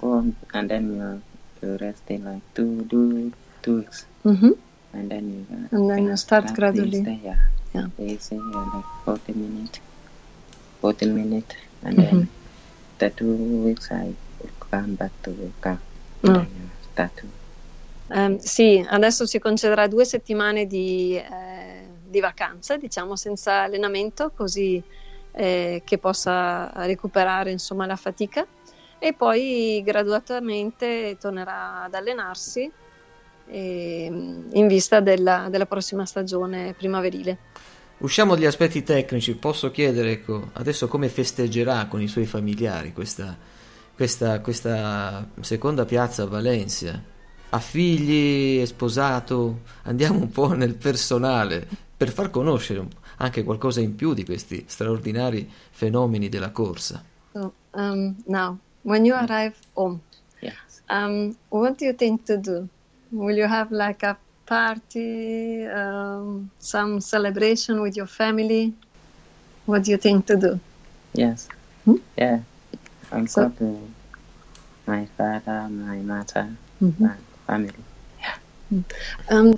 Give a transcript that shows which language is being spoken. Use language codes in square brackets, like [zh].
[en] going and then you rest in like 2 weeks. And then And then you you start practice gradually. there, easy, like 40 minutes, and then the 2 weeks I come back to work. And then you start to [it] Sì, adesso si concederà 2 settimane di vacanza, diciamo, senza allenamento, così che possa recuperare, insomma, la fatica. E poi graduatamente tornerà ad allenarsi in vista della prossima stagione primaverile. Usciamo dagli aspetti tecnici, posso chiedere, ecco, adesso come festeggerà con i suoi familiari questa seconda piazza a Valencia? Ha figli? È sposato? Andiamo un po' nel personale per far conoscere anche qualcosa in più di questi straordinari fenomeni della corsa. [en] Now, when you arrive home, what do you think to do? Will you have like a party, some celebration with your family? What do you think to do? Yes, yeah, I'm talking to my father, my mother, my family.